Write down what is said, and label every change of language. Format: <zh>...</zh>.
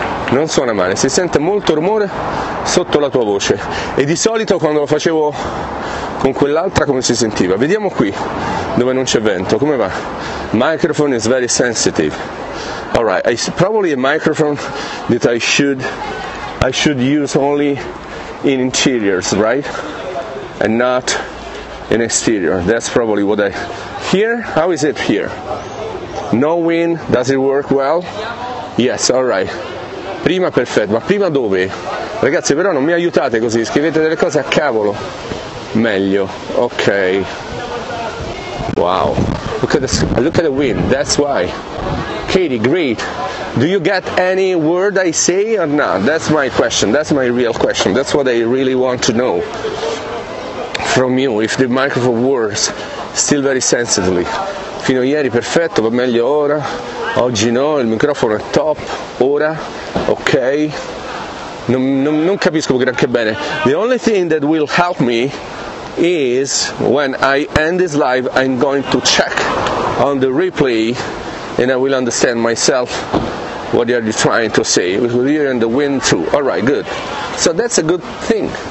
<it>non suona male, si sente molto rumore sotto la tua voce. E di solito quando lo facevo con quell'altra come si sentiva? Vediamo qui dove non c'è vento, come va?</it> <en>Microphone is very sensitive. Alright, it's probably a microphone that I should use only in interiors, right? And not in exterior. That's probably what I here? How is it here? No wind, does it work well? Yes, alright.</en> <it>Prima perfetto, ma prima dove? Ragazzi, però non mi aiutate così, scrivete delle cose a cavolo. Meglio, ok.</it> <en>Wow, look at the wind, that's why. Katie, great. Do you get any word I say or not? That's my question, that's my real question. That's what I really want to know from you, if the microphone works still very sensitively.</en> <it>Fino a ieri perfetto, va meglio ora. Oggi no, il microfono è top, ora, ok. Non capisco granché bene.</it> <en>The only thing that will help me is when I end this live, I'm going to check on the replay and I will understand myself what are you trying to say. With you and the wind too. Alright, good. So that's a good thing.</en>